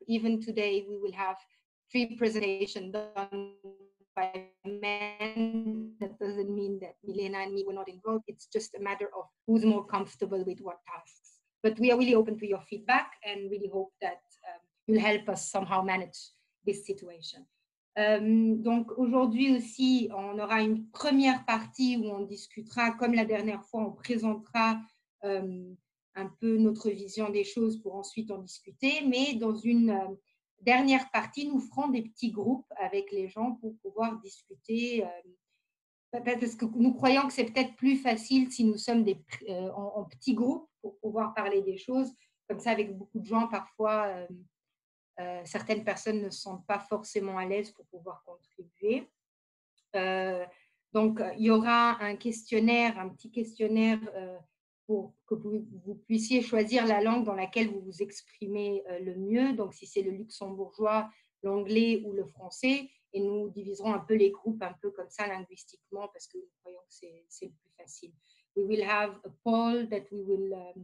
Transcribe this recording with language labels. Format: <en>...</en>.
<en>Even today, we will have 3 presentations done by men. That doesn't mean that Milena and me were not involved. It's just a matter of who's more comfortable with what tasks. But we are really open to your feedback and really hope that you'll help us somehow manage this situation.</en> <fr>Donc aujourd'hui aussi, on aura une première partie où on discutera, comme la dernière fois, on présentera un peu notre vision des choses pour ensuite en discuter. Mais dans une dernière partie, nous ferons des petits groupes avec les gens pour pouvoir discuter. Parce que nous croyons que c'est peut-être plus facile si nous sommes en petits groupes pour pouvoir parler des choses. Comme ça, avec beaucoup de gens, parfois... certaines personnes ne sont pas forcément à l'aise pour pouvoir contribuer. Donc, il y aura un petit questionnaire pour que vous puissiez choisir la langue dans laquelle vous vous exprimez le mieux. Donc, si c'est le luxembourgeois, l'anglais ou le français. Et nous diviserons un peu les groupes, un peu comme ça, linguistiquement, parce que nous croyons que c'est le plus facile.</fr> <en>We will have a poll that we will...</en>